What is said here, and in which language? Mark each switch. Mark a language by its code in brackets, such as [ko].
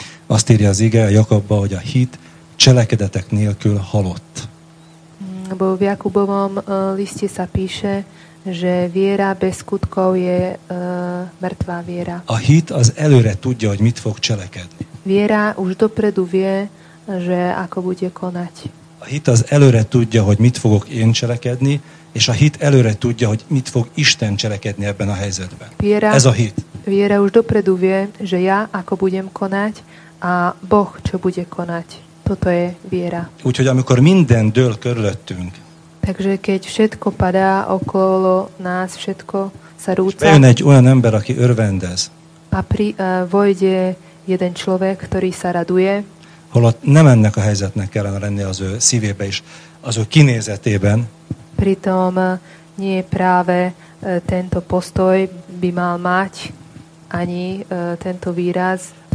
[hu] Azt írja az ige a Jakobba, hogy a hit cselekedetek nélkül halott. [sk] Bo v Jakubovom liste sa píše, že viera bez skutkov je mŕtvá viera. [hu] A hit az előre tudja, hogy mit fog cselekedni. [sk] Viera už dopredu vie, že ako bude konať. [hu] A hit az előre tudja, hogy mit fogok én cselekedni, és a hit előre tudja, hogy mit fog Isten cselekedni ebben a helyzetben. [sk] Viera, [hu] ez a hit. [sk] Viera už dopredu vie, že ja ako budem konať a Boh čo bude konať. Toto je viera. [hu] Úgyhogy amikor minden dől körülöttünk, [sk] takže keď všetko padá okolo nás, všetko sa rúca. [hu] Bejön egy olyan ember, aki örvendez. [sk] Vojde jeden človek, ktorý sa raduje. [hu] Holott nem ennek a helyzetnek kellene lenni az ő szívébe is, az ő kinézetében. [sk] Pritom nie práve tento postoj by mal mať ani tento výraz tváre.